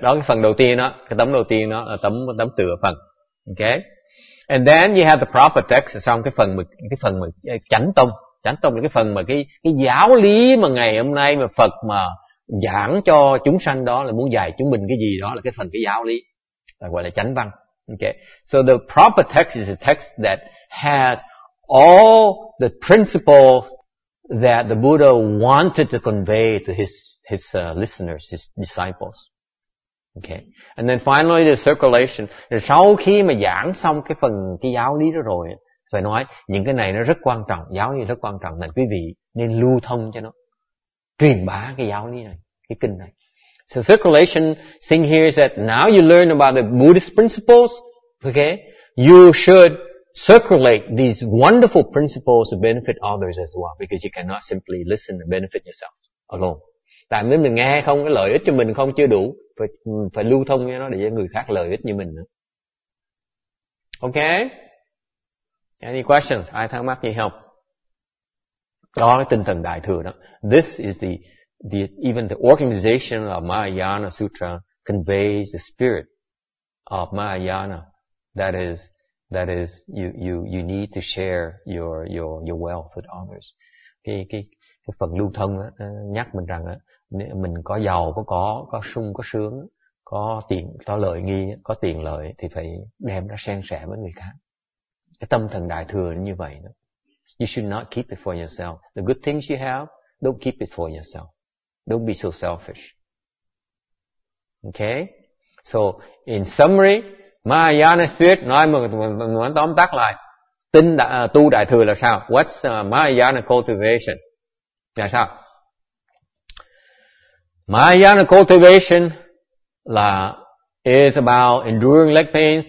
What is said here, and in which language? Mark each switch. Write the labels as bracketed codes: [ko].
[vi] Đó cái phần đầu tiên đó, cái tấm đầu tiên đó là tấm tựa phần. Okay? [en] And then you have the proper text, [vi] xong cái phần mà chánh tông là cái phần mà cái giáo lý mà ngày hôm nay mà Phật mà giảng cho chúng sanh đó là muốn dạy chúng mình cái gì đó là cái phần cái giáo lý gọi là chánh văn. Okay. [en] So the proper text is a text that has all the principles that the Buddha wanted to convey to his listeners, his disciples. Okay. And then finally the circulation. [vi] Rồi sau khi mà giảng xong cái phần cái giáo lý đó rồi, phải nói những cái này nó rất quan trọng, giáo lý rất quan trọng, nên quý vị nên lưu thông cho nó, truyền bá cái giáo lý này, cái kinh này. [en] So circulation thing here is that now you learn about the Buddhist principles, okay? You should circulate these wonderful principles to benefit others as well, because you cannot simply listen and benefit yourself alone. [vi] Tại nếu mình nghe không, cái lợi ích cho mình không chưa đủ, phải lưu thông với nó để cho người khác lợi ích như mình nữa. Ok? [en] Any questions? [vi] Ai thắc mắc gì không? Đó là tinh thần đại thừa đó. [en] This is even the organization of Mahayana Sutra conveys the spirit of Mahayana. That is you need to share your wealth with others. [vi] Cái phần lưu thông đó, nhắc mình rằng đó, mình có giàu, có sung, có sướng, có tiền, có lợi nghi, có tiền lợi thì phải đem ra san sẻ với người khác. Cái tâm thần đại thừa như vậy đó. [en] You should not keep it for yourself. The good things you have, don't keep it for yourself. Don't be so selfish. Okay? So, in summary, Mahayana spirit, [vi] nói một tóm tắt lại, tu đại thừa là sao? [en] What's Mahayana cultivation? [vi] Là sao? [en] Mahayana cultivation is about enduring leg pains.